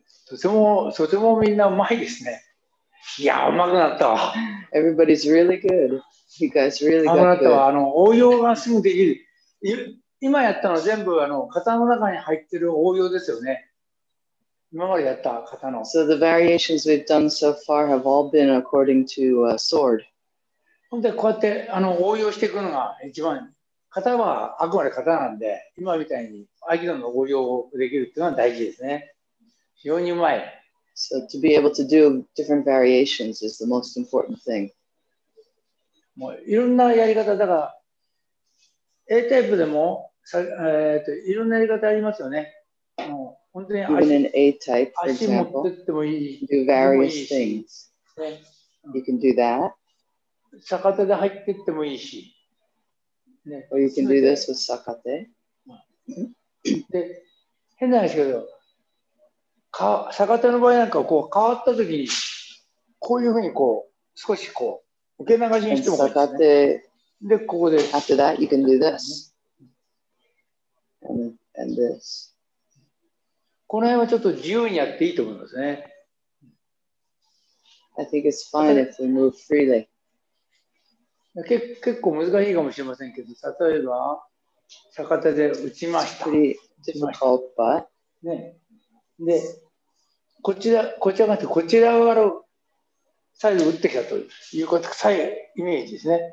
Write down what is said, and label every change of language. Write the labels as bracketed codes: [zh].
[ja] とてもみんなうまいですね。いや、うまくなったわ。 [en] Everybody's really good. You guys really got good. [ja] うまくなったわ。応用がすぐできる。今やったのは全部型の中に入ってる応用ですよね。今までやった型の。 [en] So the variations we've done so far have all been according to a sword. [ja] ほんで、こうやって応用していくのが一番。型はあくまで型なんで、今みたいに合気道の応用できるっていうのは大事ですね。非常にうまい。 [en] So to be able to do different variations is the most important thing. [ja] もういろんなやり方だが、A タイプでもいろんなやり方ありますよね。もう本当に足、 [en] even in A type, for example, [ja] 足持ってってもいい。 [en] You can do various things. You can do that. [ja] 逆手で入ってってもいいし。 [en] Or you can do this with sakate. [ja] で、変な話けど、逆手の場合なんかこう変わった時にこういうふうにこう少しこう受け流しにしてもいいですね。逆手でここで [en] After that you can do this and this. [ja] この辺はちょっと自由にやっていいと思いますね。 [en] I think it's fine if we move freely. [ja] 結構難しいかもしれませんけど、例えば逆手で打ちました。 [en] Pretty difficult, but [ja] ね。で、こちらがあって、こちら側のサイド打ってきたというか、サイドイメージですね。